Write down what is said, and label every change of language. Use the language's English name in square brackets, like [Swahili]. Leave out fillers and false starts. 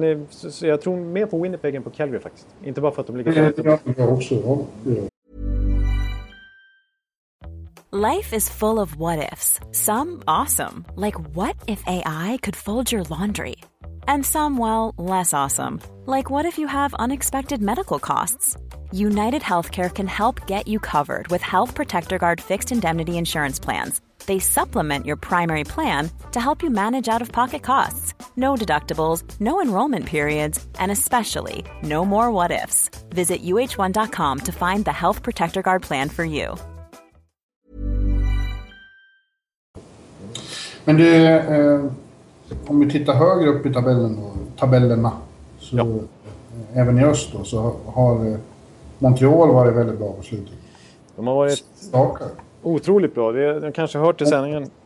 [Swedish] Så jag tror mer på Winnipeg än på Calgary faktiskt. Inte bara för att de ligger framme. Jag också, ja. [English] Life is full of what-ifs, some awesome, like what if AI could fold your laundry? And some, well, less awesome, like what if you have unexpected medical costs? UnitedHealthcare can help get you covered with Health Protector Guard fixed indemnity insurance plans. They supplement your primary plan to help you manage out-of-pocket costs. No deductibles, no enrollment periods, and especially no more what-ifs. Visit uh1.com to find the Health Protector Guard plan for you. [Swedish] Men det, om vi tittar högre upp i tabellen då, tabellerna, så ja. Även i öst då, så har Montreal varit väldigt bra på slutet. De har varit otroligt bra. Det har kanske hört i sändningen.